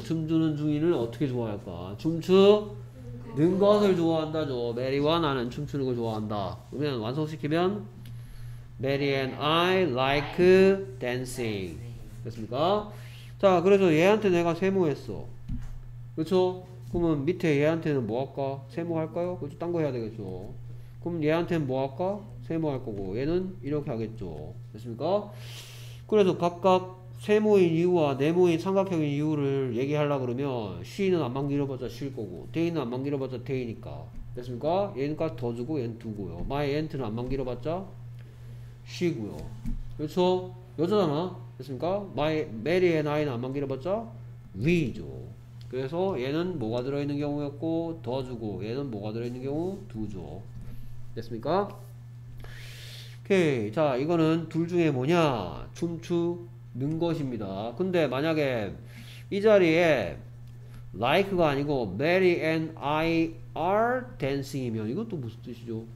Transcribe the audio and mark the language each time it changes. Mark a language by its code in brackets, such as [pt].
[ko] 춤추는 중인을 어떻게 좋아할까? 춤추 는 것을 좋아한다죠. 메리와 나는 춤추는 걸 좋아한다. 그러면 완성시키면 [en] Mary and I like dancing. [ko] 됐습니까? 자, 그래서 얘한테 내가 세모했어. 그렇죠? 그러면 밑에 얘한테는 뭐 할까? 세모할까요? 그렇죠? 딴 거 해야 되겠죠. 그럼 얘한테는 뭐 할까? 세모할 거고 얘는 이렇게 하겠죠. 됐습니까? 그래서 각각 세모인 이유와 네모인 삼각형인 이유를 얘기하려고 그러면 she는 안만 길어봤자 she일 거고 they는 안만 길어봤자 they니까 됐습니까? 얘니까 더 주고 얘는 두고요. my aunt는 안만 길어봤자 she고요. 그렇죠? 여자잖아. 됐습니까? my Mary and I는 안만 길어봤자 we죠. 그래서 얘는 뭐가 들어있는 경우였고 더 주고 얘는 뭐가 들어있는 경우 두죠. 됐습니까? 오케이. 자, 이거는 둘 중에 뭐냐? 춤추 는 것입니다. 근데 만약에 이 자리에 like가 아니고 [en] Mary and I are dancing [ko] 이면 이것도 무슨 뜻이죠?